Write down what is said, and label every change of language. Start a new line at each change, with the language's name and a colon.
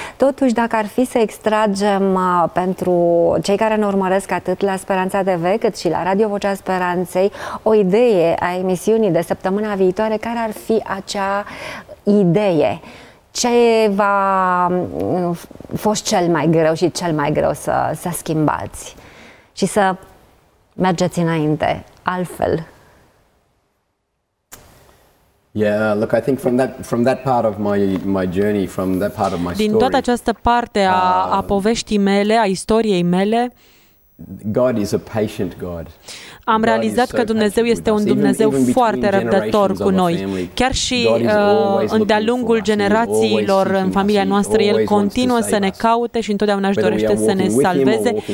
Romanian: Totuși, dacă ar fi să extragem pentru cei care ne urmăresc atât la Speranța TV, cât și la Radio Vocea Speranței, o idee a emisiunii de săptămâna viitoare, care ar fi acea idee? Ce v-a fost cel mai greu și cel mai greu să schimbați și să mergeți înainte altfel?
English: Yeah, look, I think from that part of my journey, from that part of my story.
Romanian: Din toată această parte a poveștii mele, a istoriei mele,
English: God is a patient God.
Romanian: Am realizat că Dumnezeu este un Dumnezeu foarte răbdător cu noi. Chiar și în de-a lungul generațiilor în familia noastră, El continuă să ne caute și întotdeauna își dorește să ne salveze.